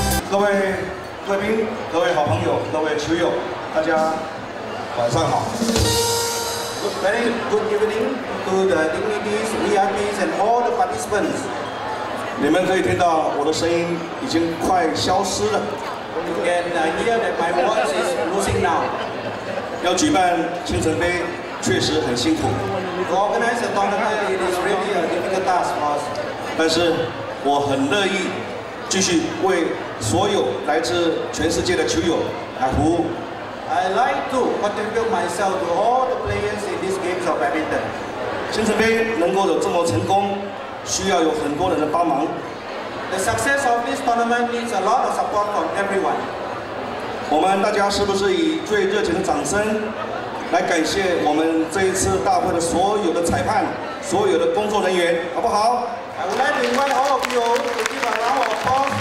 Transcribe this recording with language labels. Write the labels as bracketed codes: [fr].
[zh] 各位贵宾、各位好朋友、各位球友，大家晚上好。 [en] Very good evening to the dignitaries, VIPs, and all the participants. [zh] 你们可以听到我的声音已经快消失了。 [en] You can hear that my voice is losing now. [zh] 要举办青城杯确实很辛苦。 [en] To organize a tournament, it is really a difficult task for us. [zh] 但是我很乐意继续为所有来自全世界的球友来服务。 [en] I like to contribute myself to all the players in this game of badminton. [zh] 青城杯能够有这么成功，需要有很多人的帮忙。 [en] The success of this tournament needs a lot of support from everyone. [zh] 我们大家是不是以最热情的掌声来感谢我们这一次大会的所有的裁判、所有的工作人员，好不好？ [en] I would like to invite all of you to give a round of applause.